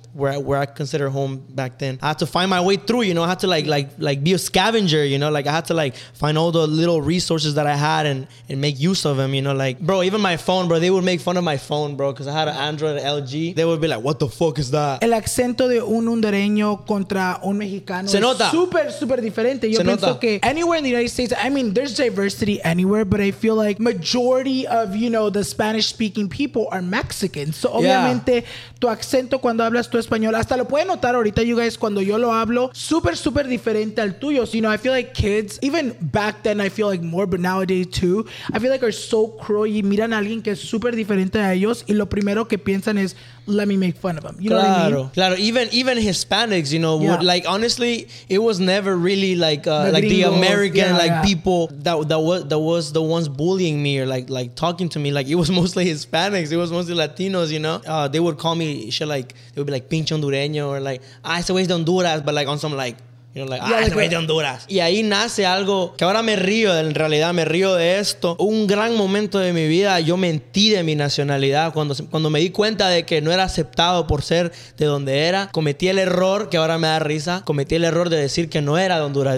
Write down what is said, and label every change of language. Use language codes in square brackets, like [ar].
[en] Where I consider home back then. I had to find my way through, you know. I had to like be a scavenger, you know. Like I had to like find all the little resources that I had and make use of them, you know. Like, bro, even my phone, bro, they would make fun of my phone, bro, because I had an Android LG. They would be like, what the fuck is that? [es] El acento de un hondureño contra un mexicano. Se nota. Es super, super diferente. Yo pienso [en] que anywhere in the United States, I mean, there's diversity anywhere, but I feel like majority of, you know, the Spanish speaking people are Mexican. [es] So obviamente, tu acento cuando hablas tu español, hasta lo pueden notar ahorita, [en] you guys, [es] cuando yo lo hablo, super, super diferente al tuyo. [en] So, you know, I feel like kids, even back then, I feel like more, but nowadays too, I feel like are so cruel. [es] Y miran a alguien que es super diferente a ellos [en] y lo primero que piensan es, let me make fun of them. You [es] claro, [en] know what I mean? Claro, even Hispanics, you know, would, like, honestly, it was never really like the American people that was the ones bullying me or like talking to me. Like, it was mostly Hispanics. It was mostly Latinos, you know. They would call me shit like, they would be like, [es] pinche hondureño, [en] or like, [es] ah, ese güey es de Honduras, [en] but like on some like You know, like, yeah, ah, like, de Honduras. [es] Y ahí nace algo que ahora me río, en realidad me río de esto. Un gran momento de mi vida, yo mentí de mi nacionalidad. Cuando me di cuenta de que no era aceptado por ser de donde era, cometí el error, que ahora me da risa, cometí el error de decir que no era de Honduras.